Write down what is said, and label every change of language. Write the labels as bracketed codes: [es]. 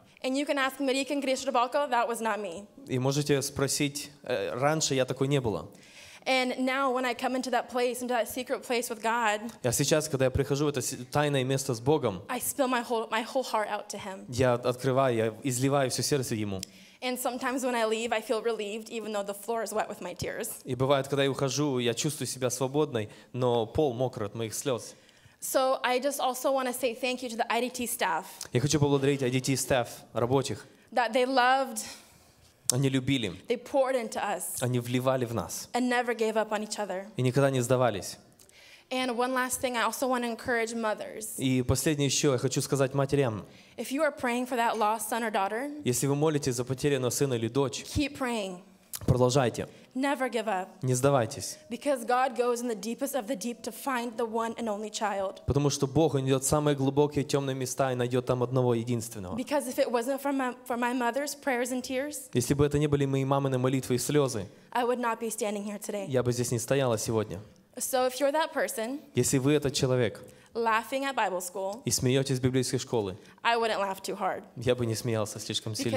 [en] And you can ask Marika and Grisha Rybalko, that was not me. [ru] И можете спросить, раньше я такой не была. [en] And now when I come into that place, into that secret place with God. [ru] Я сейчас, когда я прихожу в это тайное место с Богом. [en] I spill my whole heart out to him. [ru] Я открываю, я изливаю всё сердце ему. [en] And sometimes when I leave, I feel relieved even though the floor is wet with my tears. [ru] И бывает, когда я ухожу, я чувствую себя свободной, но пол мокрый от моих слёз. [en] So I just also want to say thank you to the IDT staff. [ru] Я хочу поблагодарить IDT staff, рабочих. [en] That they loved. [ru] Они любили. [en] They poured into us. [ru] Они вливали в нас. [en] And never gave up on each other. [ru] И никогда не сдавались. [en] And one last thing, I also want to encourage mothers. [ru] И последнее ещё я хочу сказать матерям. [en] If you are praying for that lost son or daughter. [ru] Если вы молитесь за потерянного сына или дочь. [en] Keep praying. [ru] Продолжайте. [en] Never give up. [ru] Не сдавайтесь. [en] Because God goes in the deepest of the deep to find the one and only child. [ru] Потому что Бог идёт в самые глубокие тёмные места и найдёт там одного единственного. [en] Because if it wasn't for my mother's prayers and tears. [ru] Если бы это не были мои мамины молитвы и слёзы. [en] I would not be standing here today. [ru] Я бы здесь не стояла сегодня. [en] So if you're that person. [ru] Если вы этот человек. [en] Laughing at Bible school. [ru] И смеётесь в библейской школе. [en] I wouldn't laugh too hard. [ru] Я бы не смеялся слишком сильно.